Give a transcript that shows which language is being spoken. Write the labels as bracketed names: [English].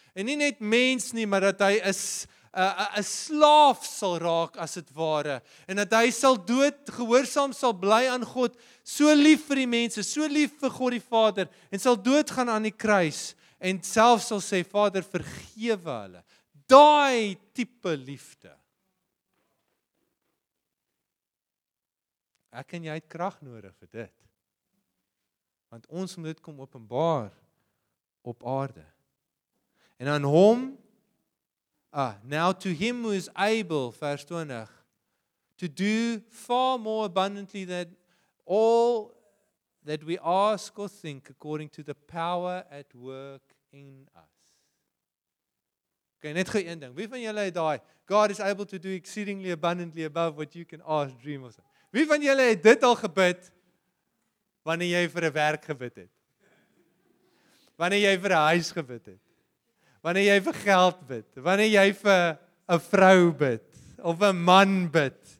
[Afrikaans] en nie net mens nie, maar dat hy is, a slaaf sal raak, as het ware, en dat hy sal dood, gehoorsaam sal bly aan God, so lief vir die mense, so lief vir God die Vader, en sal dood gaan aan die kruis, en self sal sê, Vader, vergewe hulle, daai tipe liefde. Ek en jy het krag nodig vir dit. Want ons moet dit kom openbaar op aarde. En aan hom, [English] now to him who is able, [Afrikaans] vers 20, [English] to do far more abundantly than all that we ask or think according to the power at work in us. [Afrikaans] Okay, net gou een ding. Wie van julle het daai [English] God is able to do exceedingly abundantly above what you can ask, dream of? [Afrikaans] Wie van julle het dit al gebid wanneer jy vir 'n werk gebid het? Wanneer jy vir 'n huis gebid het? Wanneer jy vir geld bid? Wanneer jy vir 'n vrou bid of 'n man bid?